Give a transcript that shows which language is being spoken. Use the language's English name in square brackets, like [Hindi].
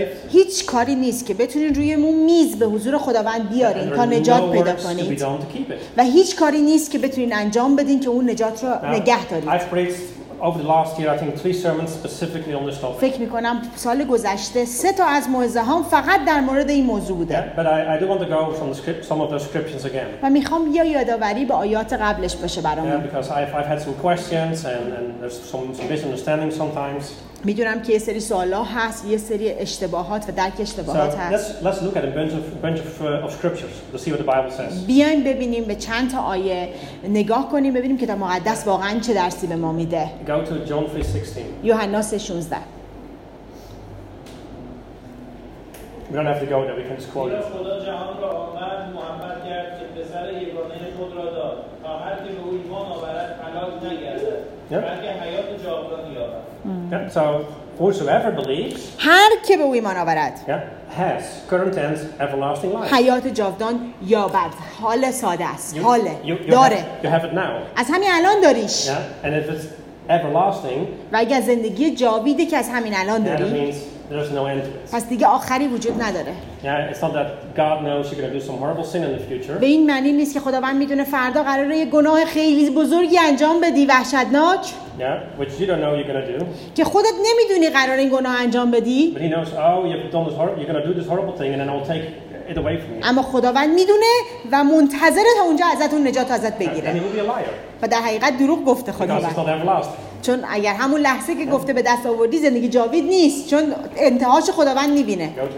[Persian] هیچ کاری نیست که بتونین روی میز به حضور خداوند بیارین تا نجات پیدا کنید و هیچ کاری نیست که بتونین انجام بدین که اون نجات رو نگه دارید. [English] Over the last year, I think 3 sermons specifically on this topic. [Persian] فکر می‌کنم سال گذشته 3 تا از موعظه‌هام فقط در مورد این موضوع بوده. [English] But I do want to go over some of those scriptures again. [Persian] و می‌خوام یه یادآوری به آیات قبلش باشه برام. [English] Yeah, because I've had some questions and there's some misunderstandings sometimes. [Persian] می‌دونم که یه سری سوالا هست، یه سری اشتباهات و درک اشتباهات هست. [English] Let's look at a bunch of scriptures to see what the Bible says. [Persian] بیایم ببینیم به چند تا آیه نگاه کنیم ببینیم که کتاب مقدس واقعا چه درسی به ما میده. [English] Go to John 3:16. [Persian] یوحنا 3:16. [English] We don't have to go there, we can just quote it. [Persian] خدا جهان را آنقدر محبت کرد که پسر یگانه خود را داد تا هر کی به او ایمان آورد هلاک نگردد بلکه حیات جاودانی یابد. [English] So whosoever believes, [Persian] هر کی به او ایمان آورد [English] has current tense everlasting life. [Persian] حیات جاودان یابد. حال ساده است. حال داره. [English] You have it now. [Persian] از همین الان داریش. [English] Yeah? And if it's everlasting, [Persian] و اگر زندگی جاویدی که از همین الان داری. [English] There's no end to it. [Persian] پس دیگه آخری وجود نداره. [English] Yeah, it's not that God knows you're going to do some horrible sin in the future. [Persian] به این معنی نیست که خداوند میدونه فردا قراره یه گناه خیلی بزرگی انجام بدی وحشتناک. [English] Yeah, which you don't know you're going to do. [Persian] که خودت نمیدونی قراره این گناه انجام بدی. [English] But he knows, oh, you're going to do this horrible thing and then I'll take it away from you. [Persian] اما خداوند میدونه و منتظره تا اونجا ازتون نجات ازت بگیره. [English] And he will be a liar. [Persian] و در حقیقت دروغ گفته خداوند. چون اگر همون لحظه که گفته به دست آوردی زندگی جاوید نیست چون انتهاش خداوند می‌بینه.